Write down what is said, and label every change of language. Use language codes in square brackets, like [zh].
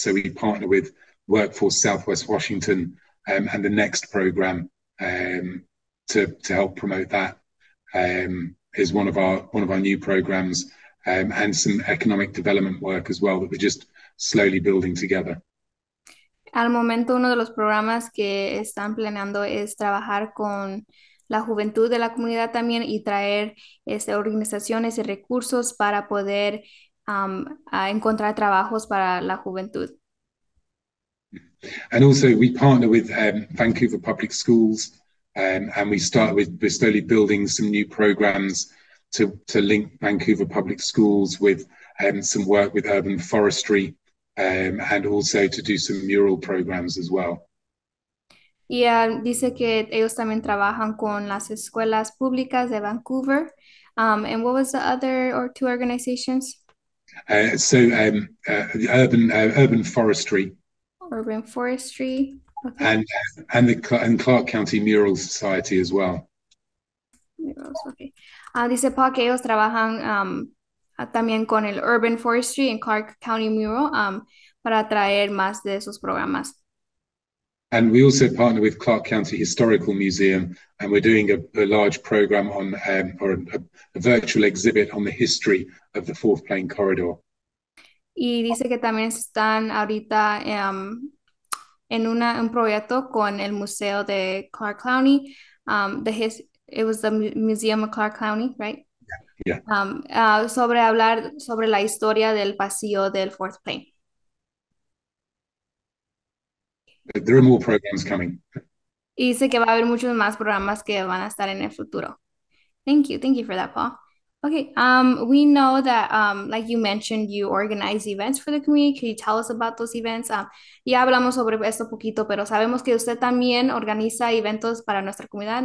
[en] So we partner with Workforce Southwest Washington and the Next program to help promote that is one of our new programs and some economic development work as well that we're just slowly building together. [es] Al momento, uno de los programas que están planeando es trabajar con la juventud de la comunidad también y traer organizaciones y recursos para poder encontrar trabajos para la juventud. [en] And also we partner with Vancouver Public Schools and we start with slowly building some new programs to link Vancouver Public Schools with some work with urban forestry and also to do some mural programs as well. [es] Y dice que ellos también trabajan con las escuelas públicas de Vancouver. [en] And what was the other or two organizations? The urban forestry. Urban forestry. Okay. And Clark County Mural Society as well. Murals, okay. [es] Dice Paul que ellos trabajan también con el urban forestry and Clark County Mural para traer más de esos programas. [en] And we also partner with Clark County Historical Museum, and we're doing a large program on or a virtual exhibit on the history of the Fourth Plane Corridor. [es] Y dice que también están ahorita en un proyecto con el Museo de Clark County. [en] Museum of Clark County, right? [es] Sobre hablar sobre la historia del pasillo del Fourth Plane. [en] There are more programs coming. [es] Y dice que va a haber muchos más programas que van a estar en el futuro. [en] Thank you for that, Paul. Okay, we know that, like you mentioned, you organize events for the community. Can you tell us about those events? [es] Ya hablamos sobre esto poquito, pero sabemos que usted también organiza eventos para nuestra comunidad.